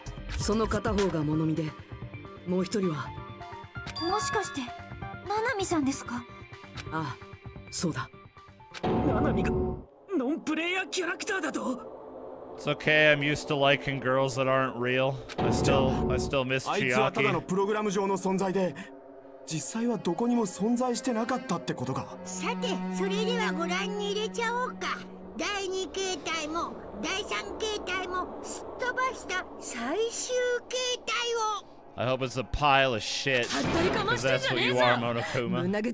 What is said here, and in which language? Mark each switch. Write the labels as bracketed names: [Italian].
[Japanese] そうか。そもそも新世界プログラムには15人の参加者の他に2人の監視者がいたんだ。その片方がモノミで、もう1人はもしかして、ナナミさんですか? ああ、そうだ。ナナミが、ノンプレイヤーキャラクターだと? [English] It's okay, I'm used to liking girls that aren't real. I still miss Chiaki. [Japanese] あいつはただのプログラム上の存在で、 実際はどこにも存在してなかったってことか。さて、それではご覧に入れちゃおうか。第二形態も、第三形態も、すっ飛ばした最終形態を。 [English] I hope it's a pile of shit, because that's what you are, Monokuma.